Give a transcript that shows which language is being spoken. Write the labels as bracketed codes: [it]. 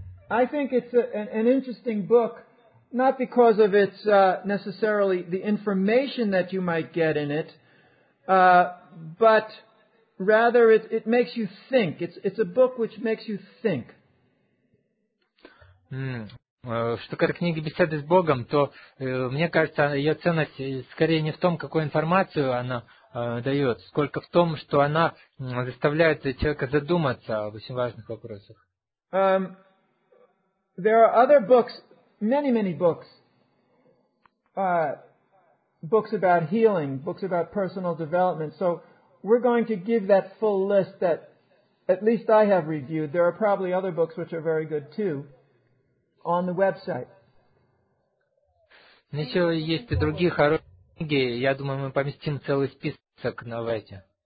[en] I think it's an interesting book, not because of its necessarily the information that you might get in it, but rather it makes you think. It's a book which makes you think. [ru] Что касается книги «Беседы с Богом», то мне кажется, ее ценность скорее не в том, какую информацию она дает, сколько в том, что она заставляет человека задуматься об очень важных вопросах. [en] There are other books, many, many books, books about healing, books about personal development. So we're going to give that full list that at least I have reviewed. There are probably other books which are very good too. On the website. [ru] Еще есть и другие хорошие книги. Я думаю, мы поместим целый список на сайте.